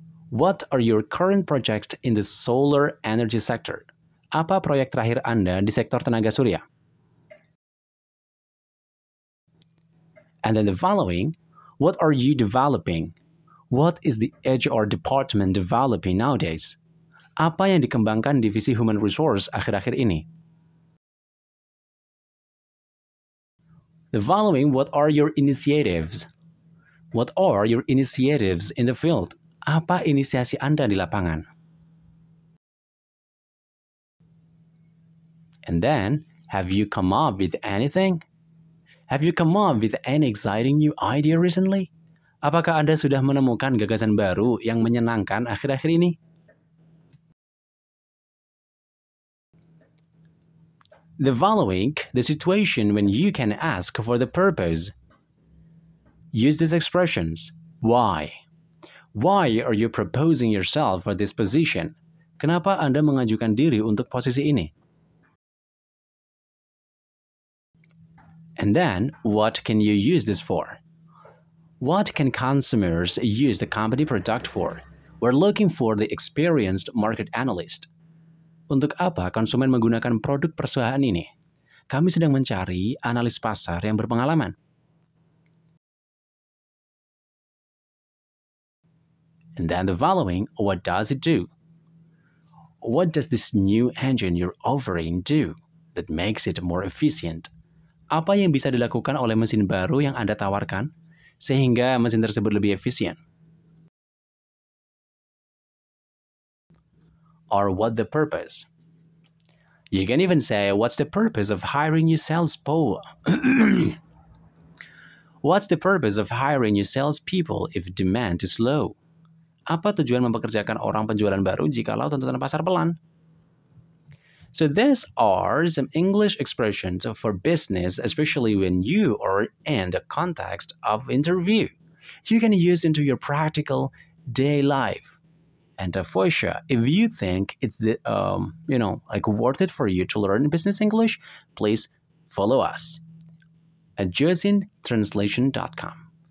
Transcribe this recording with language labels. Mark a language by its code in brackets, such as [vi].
[en] What are your current projects in the solar energy sector? [id] Apa proyek terakhir Anda di sektor tenaga surya? [en] And then the following, what are you developing? What is the HR department developing nowadays? [id] Apa yang dikembangkan divisi human resource akhir-akhir ini? [en] The following, what are your initiatives? What are your initiatives in the field? [id] Apa inisiasi Anda di lapangan? [en] And then, have you come up with anything? Have you come up with any exciting new idea recently? [id] Apakah Anda sudah menemukan gagasan baru yang menyenangkan akhir-akhir ini? [en] The following, the situation when you can ask for the purpose. Use these expressions. Why? Why are you proposing yourself for this position? [id] Kenapa Anda mengajukan diri untuk posisi ini? [en] And then, what can you use this for? What can consumers use the company product for? We're looking for the experienced market analyst. [id] Untuk apa konsumen menggunakan produk perusahaan ini? Kami sedang mencari analis pasar yang berpengalaman. [en] And then the following, what does it do? What does this new engine you're offering do that makes it more efficient? [id] Apa yang bisa dilakukan oleh mesin baru yang Anda tawarkan sehingga mesin tersebut lebih efisien? [en] Or what the purpose? You can even say, what's the purpose of hiring new salespeople? What's the purpose of hiring new salespeople if demand is low? [id] Apa tujuan mempekerjakan orang penjualan baru jikalau tuntutan pasar pelan? [en] So these are some English expressions for business, especially when you are in the context of interview. You can use into your practical day life. And for sure, if you think it's the worth it for you to learn business English, please follow us at joesintranslation.com.